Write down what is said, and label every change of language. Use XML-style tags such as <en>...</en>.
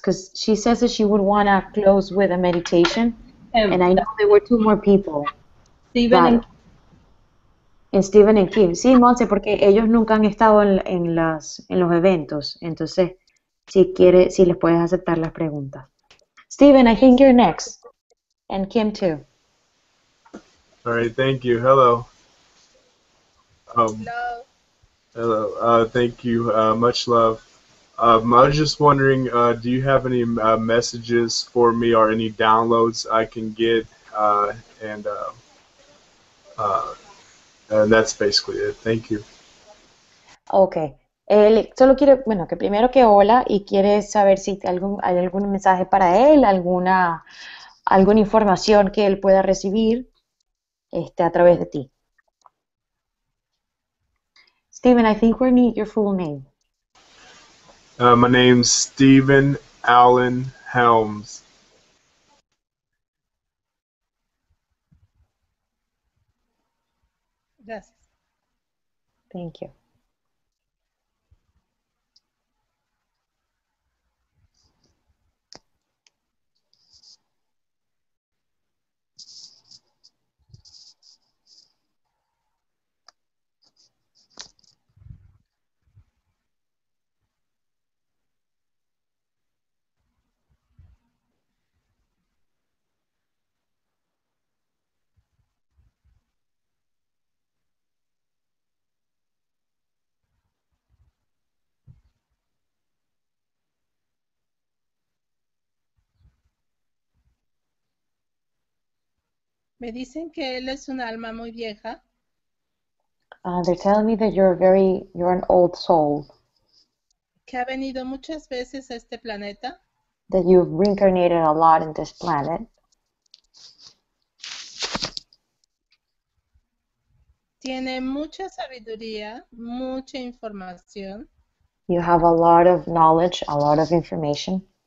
<en>Because she says that she would want to close with a meditation. And I know there were two more people. Steven and</en> <es>Steven y Kim. Sí, Monse, porque ellos nunca han estado en los eventos. Entonces, si quiere, si les puedes aceptar las preguntas.</es> <en>Steven, I think you're next. And Kim too. All right, thank you. Hello. Hello. Hello. Thank you. Much love. I was just wondering, do you have any messages for me or any downloads I can get? And that's basically it. Thank you. Okay.</en> <es>Solo quiero, bueno, que primero que hola y quiere saber si hay algún mensaje para él, alguna información que él pueda recibir a través de ti.</es> <en>Steven, I think we need your full name. My name's Steven Allen Helms. Thank you.</en> <es>Me dicen que él es un alma muy vieja.</es> <en>They're telling me that you're an old soul.</en> <es>Que ha venido muchas veces a este planeta.</es> <en>That you've reincarnated a lot in this planet.</en> <es>Tiene mucha sabiduría, mucha información.</es> <en>You have a lot of knowledge, a lot of information.</en>